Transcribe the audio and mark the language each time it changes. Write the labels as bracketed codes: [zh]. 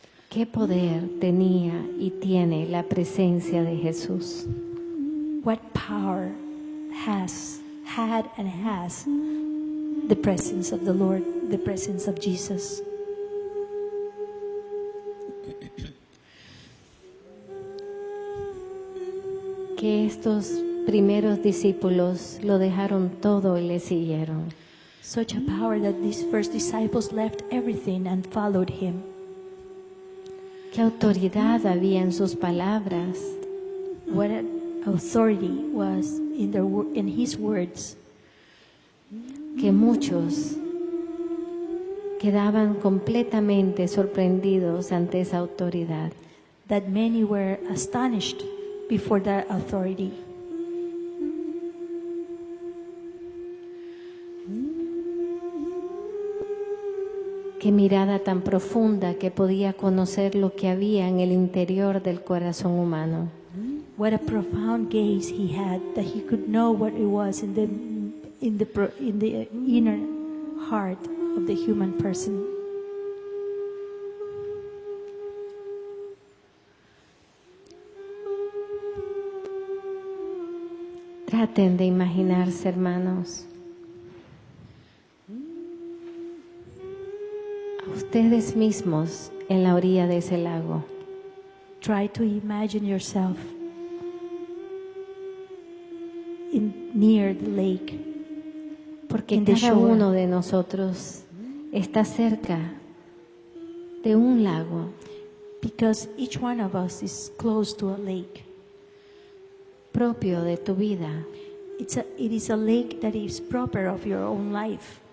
[es] ¿Qué poder tenía y tiene la presencia de Jesús? [en] What power has had and has the presence of the Lord, the presence of Jesus. [es] Que estos primeros discípulos lo dejaron todo y le siguieron. [en] Such a power that these first disciples left everything and followed him. [es] Qué autoridad había en sus palabras. [en] What authority was in his words. [es] Que muchos quedaban completamente sorprendidos ante esa autoridad. [en] That many were astonished before that authority. [es] Qué mirada tan profunda que podía conocer lo que había en el interior del corazón humano. [en] What a profound gaze he had that he could know what it was in the inner heart of the human person. [es] Traten de imaginarse, hermanos, a ustedes mismos en la orilla de ese lago. [en] Try to imagine yourself in near the lake. [es] Porque cada uno de nosotros está cerca de un lago. [en] Because each one of us is close to a lake. [es] Propio de tu vida. [en] It is a lake that is proper of your own life.